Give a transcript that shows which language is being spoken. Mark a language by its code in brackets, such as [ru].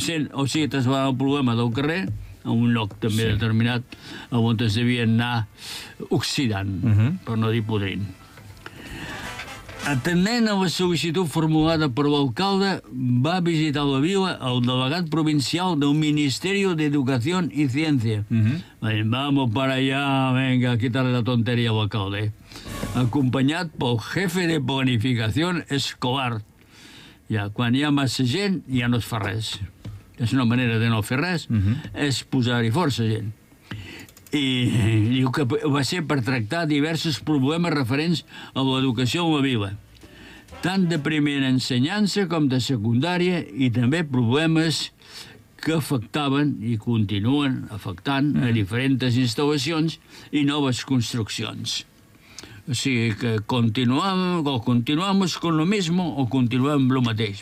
[ca] O sigui, te'n va el problema del carrer, en un lloc també determinat, on es devien anar oxidant, per no dir podrint. Atenent a la sol·licitud formulada per l'alcalde, va visitar la vila el delegat provincial del Ministeri d'Educació i Ciència. [es] Vamos para allá, venga, quitarle la tontería al alcalde. [ca] Acompanyat pel jefe de planificació escolar. Ja, quan hi ha massa gent, ja no es fa res. És una manera de no fer res, és posar-hi força, gent. I diu que va ser per tractar diversos problemes referents a l'educació en la vila, tant de primera ensenyança com de secundària, i també problemes que afectaven i continuen afectant a diferents instal·lacions i noves construccions. O sigui que [es] continuamos con lo mismo [ca] o continuem lo mateix.